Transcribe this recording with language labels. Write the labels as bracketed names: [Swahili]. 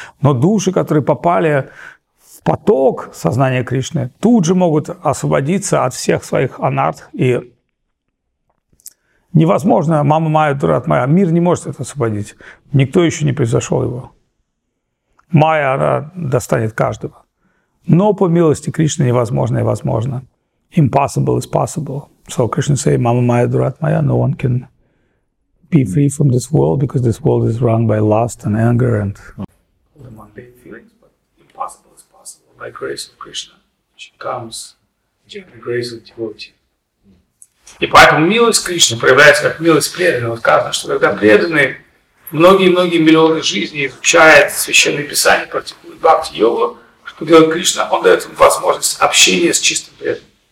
[Russian] Но души, которые попали в поток сознания Кришны, тут же могут освободиться от всех своих анарт. И невозможно, [Sanskrit] мама моя, дурат моя, [Russian] мир не может это освободить. Никто еще не превзошел его. Майя, она достанет каждого. Но по милости Кришны невозможно и возможно. [English] Impossible is possible. So Krishna say, [Sanskrit] Mama Maya Durat Maya, [English] no one can be free from this world because this world is run by lust and anger and the mundane feelings, but impossible is possible by grace of Krishna. She comes by grace of devotee. [Russian] И поэтому милость Кришны проявляется как милость преданного. Сказано, что когда преданный многие-многие миллионы жизней изучает священные писания, практикует бхакти-йогу, что делает Кришна, он дает им возможность общения с чистым преданным.